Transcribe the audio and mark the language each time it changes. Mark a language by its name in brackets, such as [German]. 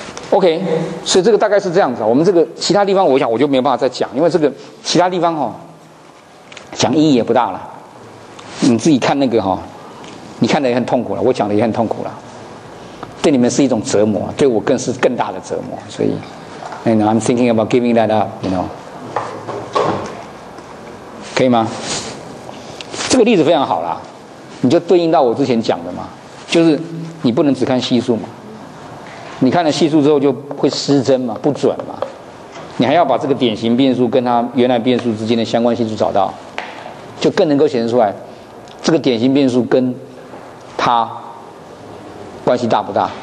[Chinese] OK， 所以这个大概是这样子。我们这个其他地方，我想我就没有办法再讲，因为这个其他地方哈、哦，讲意义也不大了。你自己看那个哈、哦，你看的也很痛苦了，我讲的也很痛苦了，对你们是一种折磨，对我更是更大的折磨。所以 [English] ，And I'm thinking about giving that up， you know， [Chinese] 可以吗？这个例子非常好啦，你就对应到我之前讲的嘛，就是你不能只看系数嘛。你看了系数之后就会失真嘛，不准嘛，你还要把这个典型变数跟它原来变数之间的相关系数找到，就更能够显示出来这个典型变数跟它关系大不大。